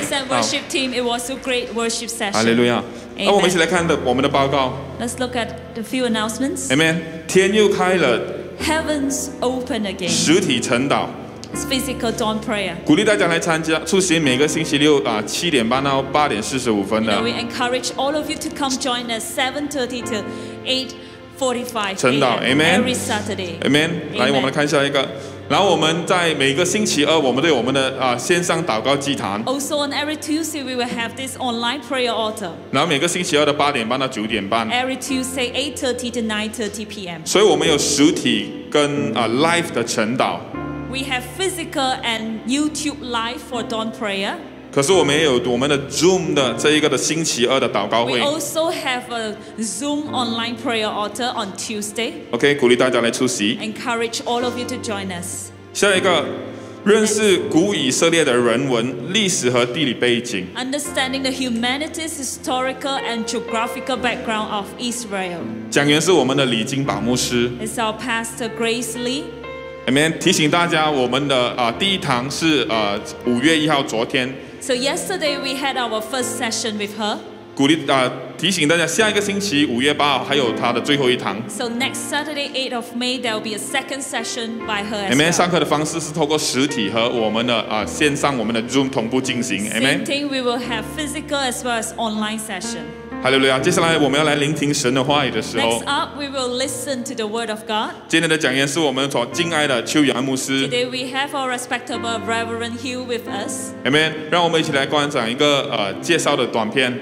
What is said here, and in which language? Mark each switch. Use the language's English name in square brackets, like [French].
[English] Praise and worship team. It was a great worship session. Hallelujah. [Chinese] 那我们一起来看的我们的报告。 [English] Let's look at a few announcements. [Chinese] Amen. 天又开了。 [English] Heavens open again. [Chinese] 实体成道。 [English] It's physical dawn prayer. [Chinese] 鼓励大家来参加，出席每个星期六啊，七点半到八点四十五分的。 [English] We encourage all of you to come join us 7:30 to 8:45. [Chinese] 晨祷 ，Amen. [English] Every Saturday, [Chinese] Amen. 来，我们来看下一个。然后我们在每个星期二，我们都有我们的线上祷告祭坛。 [English] Also on every Tuesday, we will have this online prayer altar. [Chinese] 然后每个星期二的八点半到九点半。 [English] Every Tuesday, 8:30 to 9:30 p.m. [Chinese] 所以我们有实体跟live 的晨祷。 [English] We have physical and YouTube live for dawn prayer. [Chinese] 可是我们也有我们的 Zoom 的这一个的星期二的祷告会。 [English] We also have a Zoom online prayer altar on Tuesday. [Chinese] Okay, 鼓励大家来出席。 [English] Encourage all of you to join us. [Chinese] 下一个，认识古以色列的人文、历史和地理背景。 [English] Understanding the humanities, historical and geographical background of Israel. [Chinese] 讲员是我们的李金宝牧师。 [English] It's our pastor Grace Lee. Amen. [Chinese] 提醒大家，我们的第一堂是五月一号，昨天。 [English] So yesterday we had our first session with her. [Chinese] 鼓励提醒大家，下一个星期五月八号还有她的最后一堂。 [English] So next Saturday, 8th of May, there will be a second session by her. Amen. [Chinese] 上课的方式是透过实体和我们的线上我们的 Zoom 同步进行。 [English] Amen. Same thing, we will have physical as well as online session. [Chinese] 哈利路亚！接下来我们要来聆听神的话语的时候。 [English] Next up, we will listen to the word of God. [Chinese] 今天的讲员是我们所敬爱的邱阳牧师。 [English] Today we have our respectable Reverend Hugh with us. Amen. [Chinese] 让我们一起来观赏一个介绍的短片。